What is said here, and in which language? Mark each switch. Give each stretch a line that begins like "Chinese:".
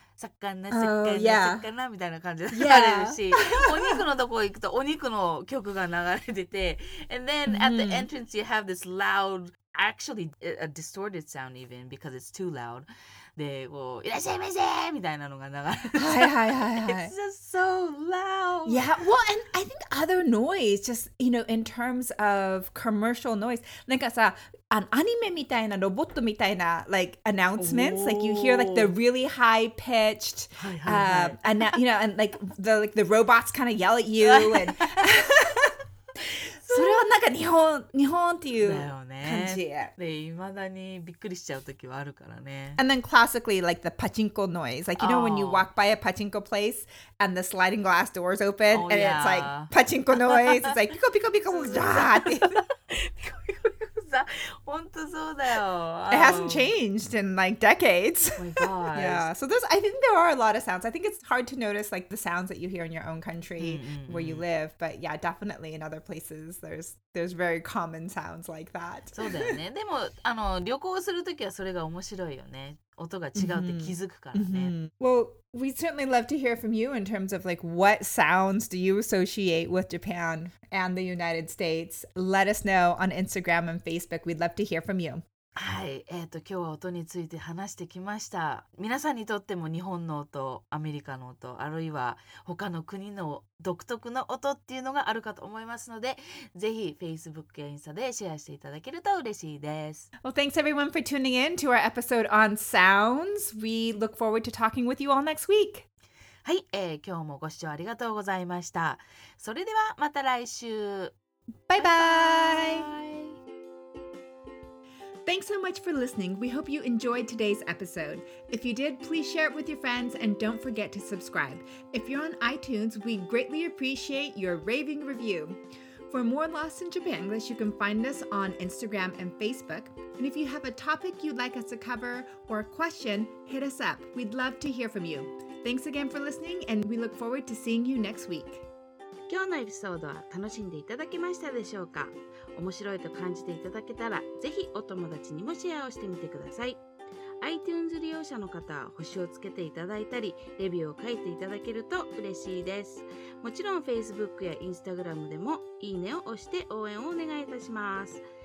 Japanese: 魚、魚、魚、魚みたいな感じで流れるし、お肉のとこ行くとお肉の曲が流れてて、
English: and then at the entrance you have this loudActually, a distorted sound even, because it's too loud.
Japanese: で、こういらっしゃいませみたいなのが流れて、はいはいはいはい。
English: It's just so loud. Yeah, well, and I think other noise, just, you know, in terms of commercial noise,
Japanese: なんかさ、アニメみたいな、ロボットみたいな、
English: like, announcements, like, you hear, like, the really high-pitched,
Japanese: はいはいはい。
English: And, you know, and, like, the robots kind of yell at you, and...
Japanese: それはなんか日本っていう感じ。だよね。で、未だにびっくりしちゃう時はあるからね。
English: And then classically, like the pachinko noise. Like, you know when you walk by a pachinko place and the sliding glass doors open and it's like pachinko noise. It's like
Japanese: ピコピコピコピコザーって。 ピコピコピコザー。本当そうだよ。
English: It hasn't changed in like decades. Oh my gosh. Yeah. So I think there are a lot of sounds. I think it's hard to notice like the sounds that you hear in your own country where you live. But yeah, definitely in other places. There's very common sounds like that.
Japanese: そうだよね。でもあの旅行するときはそれが面白いよね。音が違うって気づくからね。
English: Well, we certainly love to hear from you in terms of like what sounds do you associate with Japan and the United States. Let us know on Instagram and Facebook. We'd love to hear from you.
Japanese: はい。今日は音について話してきました。皆さんにとっても日本の音、アメリカの音、あるいは他の国の独特の音っていうのがあるかと思いますので、ぜひ Facebook やインスタでシェアしていただけると嬉しいです。
English: Well, thanks everyone for tuning in to our episode on sounds. We look forward to talking with you all next week.
Japanese: はい。今日もご視聴ありがとうございました。それではまた来週。バイバイ。
English: Thanks so much for listening. We hope you enjoyed today's episode. If you did, please share it with your friends and don't forget to subscribe. If you're on iTunes, we greatly appreciate your raving review. For more Lost in Japanglish, you can find us on Instagram and Facebook. And if you have a topic you'd like us to cover or a question, hit us up. We'd love to hear from you. Thanks again for listening and we look forward to seeing you next week.
Japanese: 今日のエピソードは楽しんでいただけましたでしょうか?面白いと感じていただけたら、ぜひお友達にもシェアをしてみてください。 iTunes 利用者の方は星をつけていただいたりレビューを書いていただけると嬉しいです。もちろん Facebook や Instagram でもいいねを押して応援をお願いいたします。